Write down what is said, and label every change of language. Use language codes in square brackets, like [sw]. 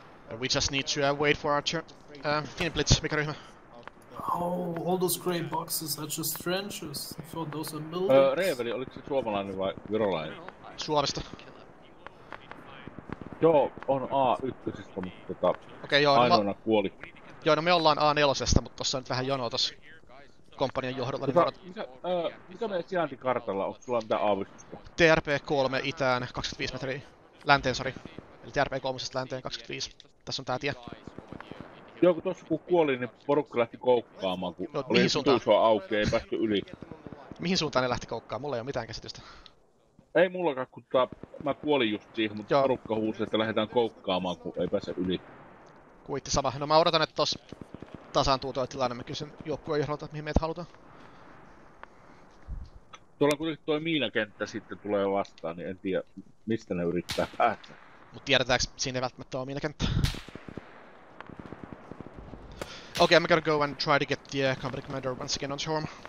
[en] We just need to wait for our turn. Finn Blitz, Mikarima. Oh, all those grey boxes are just trenches. I thought those are buildings. [fi] Reveli, oliko se suomalainen vai virolainen? Suomesta. Joo, on A1-sista, mutta ainoana kuoli. Joo, no me ollaan A4-sesta, mutta tossa on nyt vähän jonoa tossa komppanian johdolla. Niin mikä meidän sijaintikartalla on? Sulla on mitään aavistusta? TRP3 itään, 25 metriä. Länteen, sori. Eli TRP3:sta länteen, 25. Tässä on tää tie. Joo, kun tossa kun kuoli, niin porukka lähti koukkaamaan, kun no, oli tuusua auki, ei päästy yli. Mihin suuntaan ne lähti koukkaamaan? Mulla ei oo mitään käsitystä. Ei mullakaan, kun mä kuolin just siihen, mutta joo, porukka huusi, että lähdetään koukkaamaan, kun ei pääse yli. Kuitti sama. No mä odotan, että tossa tasaantuu toi tilanne. Mä kysyn joukkueen johdolta, mihin meitä halutaan. Tuolla kuitenkin toi miinakenttä sitten tulee vastaan, niin en tiedä, mistä ne yrittää päästä. Mut tiedetäänkö, siinä ei välttämättä oo miinakenttä. [en] Okay, I'm gonna go and try to get the company commander once again on shore.